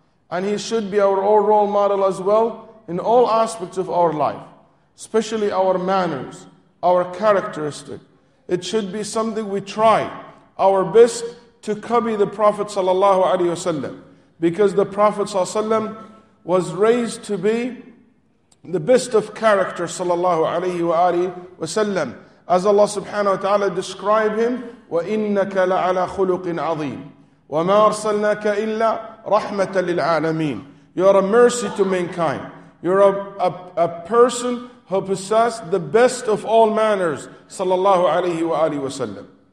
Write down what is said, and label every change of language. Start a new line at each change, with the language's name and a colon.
English: And he should be our own role model as well in all aspects of our life, especially our manners, our characteristic. It should be something we try our best to copy the Prophet sallallahu alayhi wasallam, because the Prophet sallallahu alayhi wasallam was raised to be the best of character sallallahu alayhi wasallam. As Allah subhanahu wa ta'ala described him,
Arabic: وَإِنَّكَ لَعَلَى خُلُقٍ عَظِيمٍ وَمَا أَرْسَلْنَاكَ إِلَّا رَحْمَةً لِلْعَالَمِينَ.
English: You are a mercy to mankind. You are a person who possessed the best of all manners, sallallahu alayhi wa alihi wa sallam.